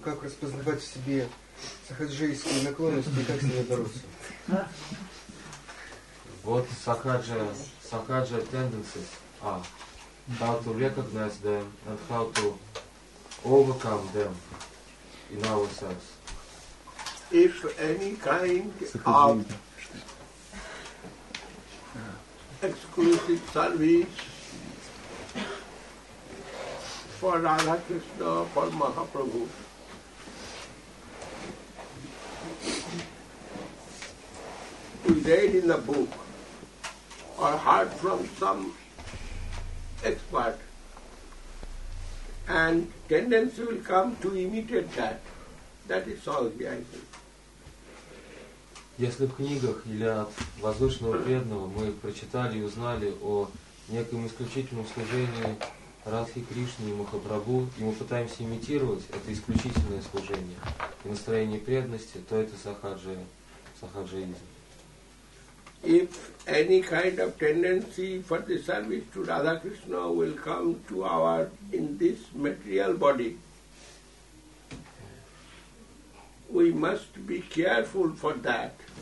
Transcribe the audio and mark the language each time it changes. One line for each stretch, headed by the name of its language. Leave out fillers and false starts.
Russian: Как распознавать в себе сахаджаистские наклонности и как с ними бороться? Вот сахаджа tendencies.
English: How to recognize them and how to overcome them in ourselves. If any kind of exclusive service for Radha Krishna, for Mahaprabhu, we read in a book or heard from some expert, and tendency will come to imitate that. That is all the idea.
Russian: Если в книгах или от возвышенного преданного мы прочитали и узнали о неком исключительном служении Радхи Кришне и Махапрабху, и мы пытаемся имитировать это исключительное служение и настроение преданности, то это сахаджаизм.
English: If any kind of tendency for the service to Radha Krishna will come to our in this material body, we must be careful for that.